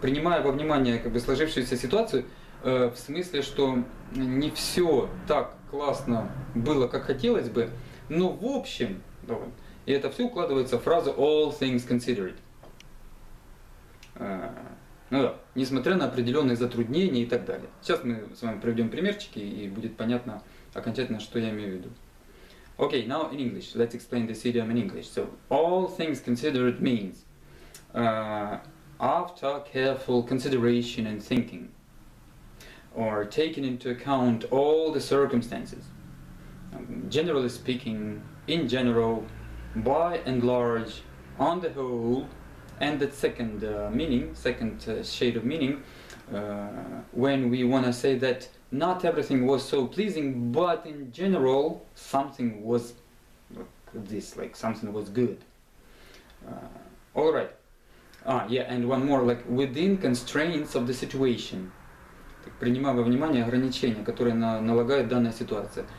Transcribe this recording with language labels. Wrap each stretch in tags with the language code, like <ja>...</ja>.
<ru>Принимая во внимание как бы сложившуюся ситуацию, в смысле, что не все так классно было, как хотелось бы, но в общем, да, вот, и это все укладывается в фразу</ru> <en>all things considered.</en> <ru>Ну да, несмотря на определенные затруднения и так далее. Сейчас мы с вами приведем примерчики, и будет понятно окончательно, что я имею в виду.</ru> <en>Okay, now in English. Let's explain this idiom in English. So, all things considered means after careful consideration and thinking, or taking into account all the circumstances, generally speaking, in general, by and large, on the whole, and the second shade of meaning, when we want to say that not everything was so pleasing, but in general, something was something was good. All right. And one more, like within constraints of the situation.</en> <ru>Так, принимая во внимание ограничения, которые налагает данная ситуация.</ru>